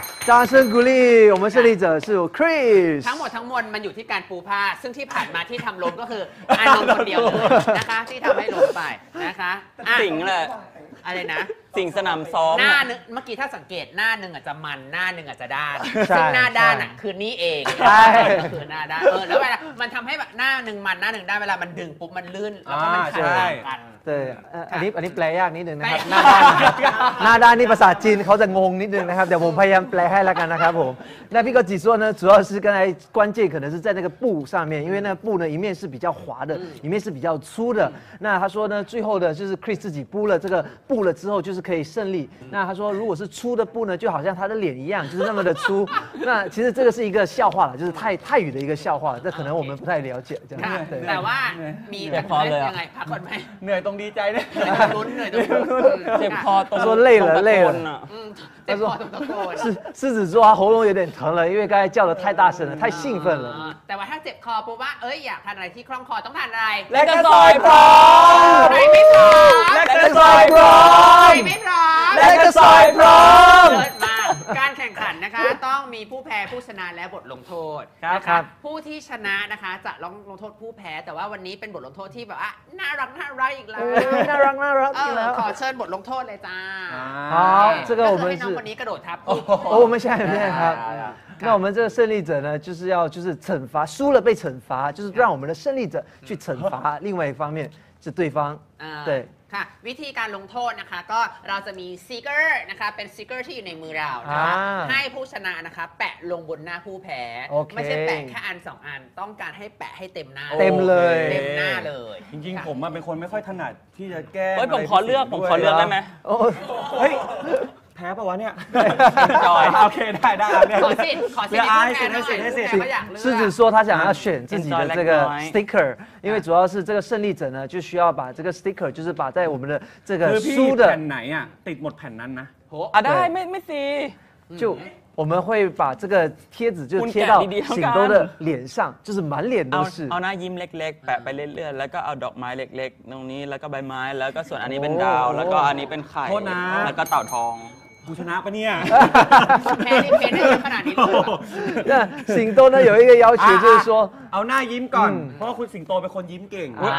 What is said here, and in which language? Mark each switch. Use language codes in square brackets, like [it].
[zh] 掌声鼓励我们胜利者是 Chris [th] ทั้งหมดทั้งมวลมันอยู่ที่การปูผ้าซึ่งที่ผ่านมาที่ทำล้มก็คืออานนท์คนเดียวนะคะที่ทำให้ล้มไปนะคะ สิงแหละ อะไรนะ สิงสนามซ้อม หน้านึงเมื่อกี้ถ้าสังเกตหน้านึงอาจจะมันหน้านึงอาจจะด้านซึ่งหน้าด้านอ่ะคือนี่เองก็คือหน้าด้านแล้วเวลามันทำให้แบบหน้านึงมันหน้านึงด้านเวลามันดึงปุ๊บมันลื่นแล้วมันขัดกัน อันนี้แปลยากนิดนึงนะครับหน้าด้านนี่ภาษาจีนเขาจะงงนิดนึงนะครับเดี๋ยวผมพยายามแปลให้แล้วกันนะครับผมแล้วพี่ก็จีซัวนะ [zh] 主要是刚才关键可能是在那个布上面因为那布呢一面是比较滑的一面是比较粗的那他说呢最后的就是 Chris 自己布了这个布了之后就是可以胜利那他说如果是粗的布呢就好像他的脸一样就是那么的粗那其实这个是一个笑话就是泰语的一个笑话这可能我们不太了解这样子对但是 [th] มีแต่พอเลยอ่ะยังไงพักก่อนมั้ย เหนื่อยตรงดีใจเนี่ย เหนื่อยตรงเ จ็บคอตรง เขาว่าเล่ยละเล่ยละ เจ็บคอตรงตะโก นสิ [zh] 子座他喉咙有点疼了因为刚才叫的太大声了太兴奋了 [th] แต่ว่าถ้าเจ็บคอปุ๊บว่าเอ้ยอยากทานอะไรที่คล่องคอต้องทานอะไร แล้วก็ซอยพร้อม ไม่พร้อม แล้วก็ซอยพร้อม ไม่พร้อม แล้วก็ซอยพร้อม การแข่งขันนะคะต้องมีผู้แพ้ผู้ชนะและบทลงโทษนะ ครับ ผู้ที่ชนะนะคะจะลงโทษผู้แพ้แต่ว่าวันนี้เป็นบทลงโทษที่แบบว่าน่ารักน่ารักอีกแล้ว น่ารักน่ารัก อีกแล้วขอเชิญบทลงโทษเลยจ้า [zh] 好这个我们是 [th] วันนี้กระโดดทับ โอ้ไม่ใช่ไม่ใช่ครับ [zh] 那我们这个胜利者呢，就是要就是惩罚输了被惩罚，就是让我们的胜利者去惩罚另外一方面是对方，对。 [th] ค่ะวิธีการลงโทษนะคะก็เราจะมีซีเกอร์นะคะเป็นซีเกอร์ที่อยู่ในมือเรานะคะให้ผู้ชนะนะคะแปะลงบนหน้าผู้แพ้ [en] okay. [th] ไม่ใช่แปะแค่อัน2อันต้องการให้แปะให้เต็มหน้า เต็มเลย เต็มหน้าเลย จริงๆผมเป็นคนไม่ค่อยถนัดที่จะแก้ผมขอเลือกผมขอเลือกได้ไหม เฮ้ยแพ้ป่าวะเนี่ย จอย โอเคได้ได้ ขอสิทธิ์ขอสิทธิ์ให้แพ้หน่อยแพ้ไม่อยากเลือก [zh] 狮子说他想要选自己的这个 sticker因为主要是这个胜利者呢就需要把这个 sticker 就是把在我们的这个输的 [th] แผ่นไหนอ่ะติดหมดแผ่นนั้นนะ โหอ่ะได้ไม่สิ [zh] 就我们会把这个贴纸就贴到醒多的脸上就是满脸都是 [th] เอาหน้ายิ้มเล็กๆแปะไปเรื่อยๆแล้วก็เอาดอกไม้เล็กๆตรงนี้แล้วก็ใบไม้แล้วก็ส่วนอันนี้เป็นดาวแล้วก็อันนี้เป็นไข่ โทษนะ แล้วก็เต่าทอง กูชนะปะเนี่ย แพ้ได้ขนาดนี้เลยสิงโตนั้นมีข้อเสนอคือว่า เอาหน้ายิ้มก่อนเพราะคุณสิงโตเป็นคนยิ้มเก่ง